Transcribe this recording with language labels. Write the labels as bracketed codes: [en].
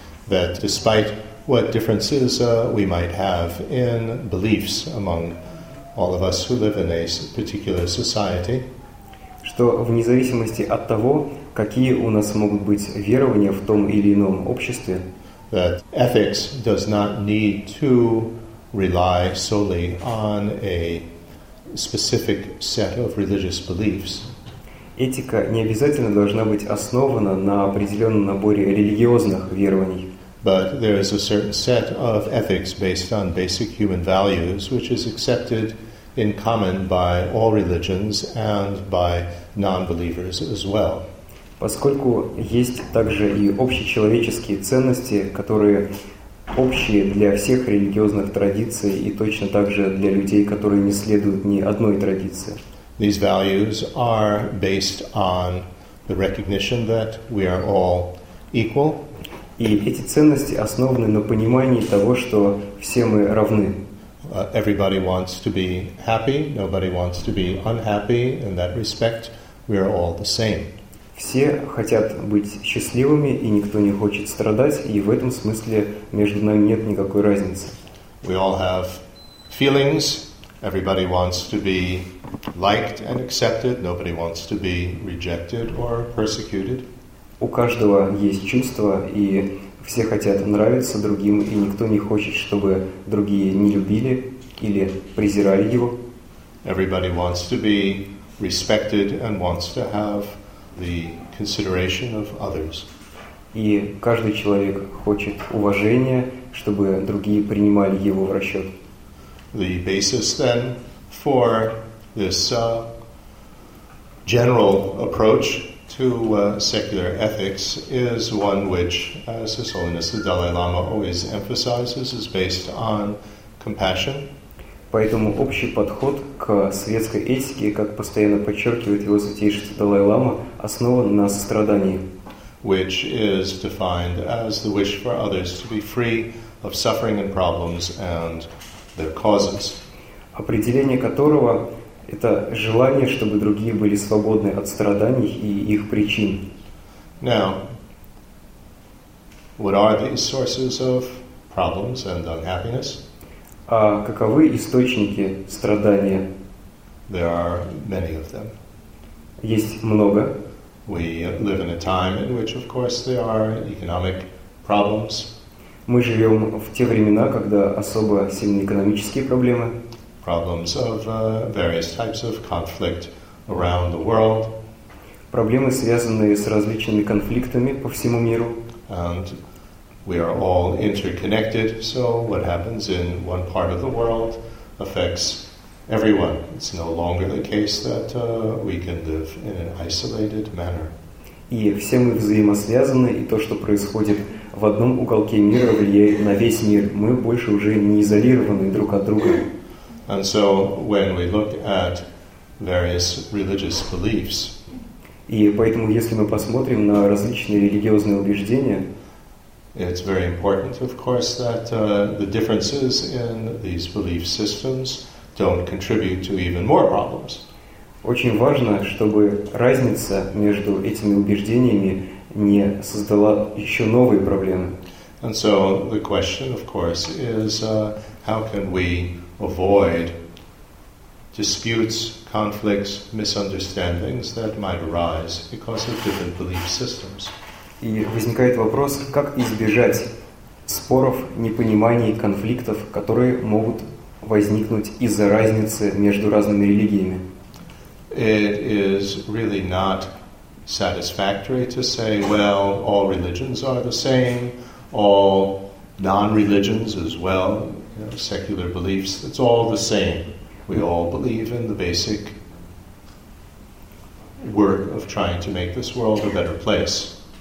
[en] That despite what differences we might have in beliefs among all of us who live in a particular society, [ru] что вне зависимости от того, какие у нас могут быть верования в том или ином обществе, [en] that ethics does not need to rely solely on a specific set of religious beliefs. [ru] Этика не обязательно должна быть основана на определенном наборе религиозных верований. [en] But there is a certain set of ethics based on basic human values, which is accepted in common by all religions and by non-believers as well. [ru] Поскольку есть также и общечеловеческие ценности, которые общие для всех религиозных традиций и точно так же для людей, которые не следуют ни одной традиции. [en] These values are based on the recognition that we are all equal. [ru] И эти ценности основаны на понимании того, что все мы равны. [en] Everybody wants to be happy, nobody wants to be unhappy. In that respect, we are all the same. [ru] Все хотят быть счастливыми, и никто не хочет страдать, и в этом смысле между нами нет никакой разницы. [en] We all have feelings. Everybody wants to be liked and accepted. Nobody wants to be rejected or persecuted. [ru] У каждого есть чувства, и все хотят нравиться другим, и никто не хочет, чтобы другие не любили или презирали его. [en] Everybody wants to be respected and wants to have the consideration of others. [ru] И каждый человек хочет уважения, чтобы другие принимали его в расчет. [en] The basis then for this general approach to secular ethics is one which, as His Holiness the Dalai Lama always emphasizes, is based on compassion. [ru] Поэтому общий подход к светской этике, как постоянно подчеркивает Его Святейшество Далай-Лама, основан на сострадании. [en] Which is defined as the wish for others to be free of suffering and problems and their causes. [ru] Определение которого – это желание, чтобы другие были свободны от страданий и их причин. [en] Now, what are these sources of problems and unhappiness? [ru] А каковы источники страдания? [en] There are many of them. [ru] Есть много. [en] We live in a time in which, of course, there are economic problems. [ru] Мы живем в те времена, когда особо сильны экономические проблемы. [en] Problems of various types of conflict around the world. [ru] Проблемы, связанные с различными конфликтами по всему миру. [en] And we are all interconnected, so what happens in one part of the world affects everyone. It's no longer the case that we can live in an isolated manner. [ru] И все мы взаимосвязаны, и то, что происходит в одном уголке мира, влияет на весь мир. Мы больше уже не изолированы друг от друга. [en] And so when we look at various religious beliefs, [ru] и поэтому, если мы посмотрим на различные религиозные убеждения, [en] it's very important, of course, that the differences in these belief systems don't contribute to even more problems. [ru] Очень важно, чтобы разница между этими убеждениями не создала еще новые проблемы. [en] And so the question, of course, is how can we avoid disputes, conflicts, misunderstandings that might arise because of different belief systems. [ru] И возникает вопрос, как избежать споров, непониманий, конфликтов, которые могут возникнуть из-за разницы между разными религиями. [en] It is really not satisfactory to say, well, all religions are the same, all non-religions as well, you know, secular beliefs, it's all the same. We all believe in the basic work of trying to make this world a better place.